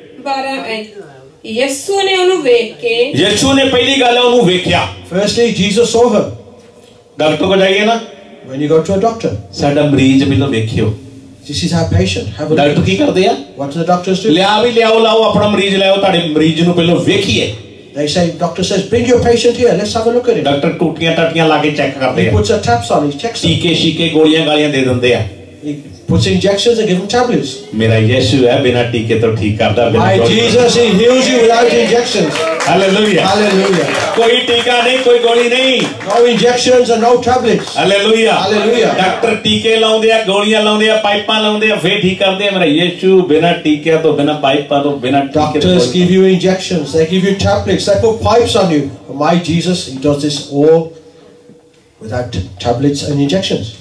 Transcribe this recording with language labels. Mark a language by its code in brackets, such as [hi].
[pa] 12 ਯੇਸ਼ੂ ਨੇ ਉਹਨੂੰ ਵੇਖ ਕੇ ਯੇਸ਼ੂ ਨੇ ਪਹਿਲੀ ਗੱਲ ਉਹਨੂੰ ਵੇਖਿਆ. [en] Firstly Jesus saw her. [pa] ਡਾਕਟਰ ਕੋਲ ਜਾਈਏ ਨਾ. [en] when you go to a doctor [pa] ਸਾਡਾ ਮਰੀਜ਼ ਮੈਨੂੰ ਵੇਖਿਓ. [en] This is our patient. Have a doctor look. [pa] ਕੀ ਕਰਦੇ ਆ? [en] What the doctors do? [pa] ਲਿਆ ਵੀ ਲਿਆਓ ਲਾਓ ਆਪਣਾ ਮਰੀਜ਼ ਲਿਆਓ ਤੁਹਾਡੇ ਮਰੀਜ਼ ਨੂੰ ਪਹਿਲਾਂ ਵੇਖੀਏ. [en] They say doctor says bring your patient here. Let's have a look at it. [pa] Doctor ਟੂਟੀਆਂ ਟਟੀਆਂ ਲਾ ਕੇ ਚੈੱਕ ਕਰਦੇ ਆ. [en] He puts a taps on his checks. [pa] ਟੀਕੇ ਸ਼ੀਕੇ ਗੋਲੀਆਂ ਗਾਲੀਆਂ ਦੇ ਦਿੰਦੇ ਆ. [en] He puts injections and give him tablets. [pa] ਮੇਰਾ ਯੇਸ਼ੂ ਹੈ ਬਿਨਾ ਟੀਕੇ ਤੋਂ ਠੀਕ ਕਰਦਾ. [en] My Jesus, he heals you without injections. Hallelujah. Hallelujah. [pa] ਕੋਈ ਟੀਕਾ ਨਹੀਂ ਕੋਈ ਗੋਲੀ ਨਹੀਂ. [en] No injections and no tablets. Hallelujah. Hallelujah. [pa] Doctor ਟੀਕੇ ਲਾਉਂਦੇ ਆ ਗੋਲੀਆਂ ਲਾਉਂਦੇ ਆ ਪਾਈਪਾਂ ਲਾਉਂਦੇ ਆ ਫੇਰ ਠੀਕ ਕਰਦੇ ਆ. ਮੇਰਾ ਯੇਸ਼ੂ ਬਿਨਾ ਟੀਕਿਆਂ ਤੋਂ ਬਿਨਾ ਪਾਈਪਾਂ ਤੋਂ ਬਿਨਾ ਟੀਕੇ ਤੋਂ. [en] Doctors give you injections, they give you tablets, they put pipes on you. But my Jesus, he does this all without tablets and injections.